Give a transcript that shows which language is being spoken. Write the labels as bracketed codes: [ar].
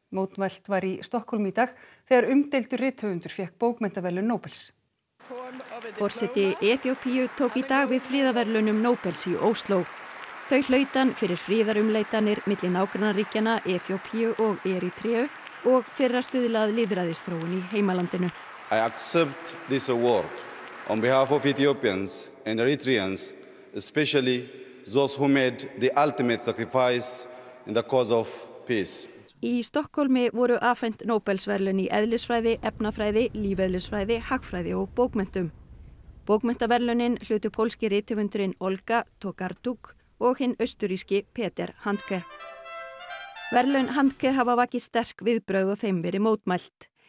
[is] Mótmælt var í Stokkhólmi í dag þegar umdeildur rithöfundur fékk bókmenntaverðlaun Nóbels. Forseti Eþíópíu tók í dag við friðarverðlaunum Nóbels í Ósló. Þau hlaut hann fyrir friðarumleitanir milli nágrannaríkjanna Eþíópíu og Eritreu og fyrir að stuðla að lýðræðisþróun í heimalandinu. [en] I accept this award on behalf of Ethiopians and Eritreans, especially those who made the ultimate sacrifice in the cause of peace. [is] Í Stokkólmi voru afhent Nóbelsverðlaun í eðlisfræði, efnafræði, lífeðlisfræði, hagfræði og bókmenntum. Bókmenntaverðlaunin hlutu pólski rithöfundurinn Olga Tokarczuk og hinn austurríski Peter Handke. Verðlaun Handke hafa vakið sterk viðbrögð og þeim verið mótmælt.